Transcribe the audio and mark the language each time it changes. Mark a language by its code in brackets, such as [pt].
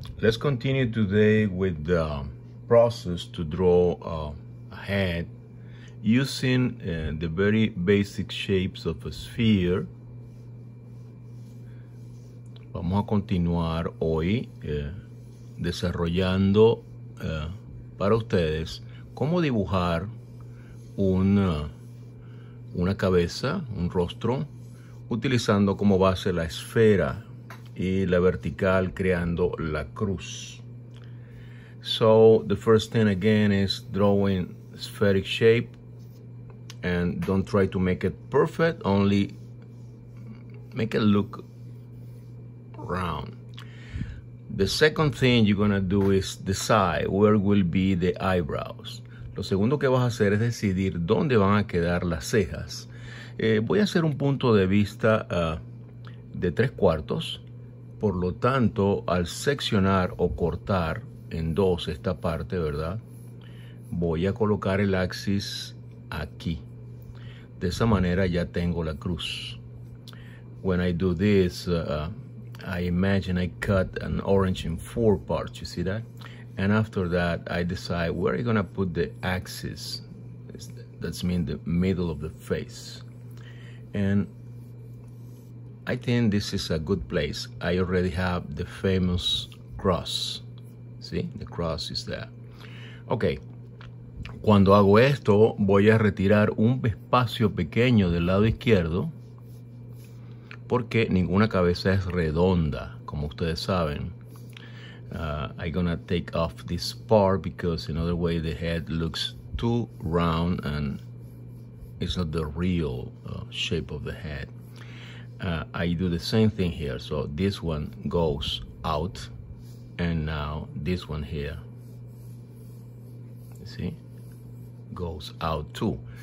[en] Let's continue today with the process to draw a head using the very basic shapes of a sphere. [es] Vamos a continuar hoy desarrollando para ustedes cómo dibujar una cabeza, un rostro, utilizando como base la esfera y la vertical creando la cruz. [en] So the first thing again is drawing spheric shape, and don't try to make it perfect, only make it look round. The second thing you're gonna do is decide where will be the eyebrows. [es] Lo segundo que vas a hacer es decidir dónde van a quedar las cejas. Voy a hacer un punto de vista de 3/4, por lo tanto, al seccionar o cortar en dos esta parte, ¿verdad? Voy a colocar el axis aquí. De esa manera ya tengo la cruz. [en] When I do this, I imagine I cut an orange in 4 parts, you see that? And after that, I decide where I'm gonna put the axis. That's mean the middle of the face. And I think this is a good place. I already have the famous cross. See, the cross is there. Okay. [es] Cuando hago esto, voy a retirar un espacio pequeño del lado izquierdo, porque ninguna cabeza es redonda, como ustedes saben. [en] I'm gonna take off this part because in other way the head looks too round and it's not the real shape of the head. I do the same thing here. So this one goes out, and now this one here, see, goes out too.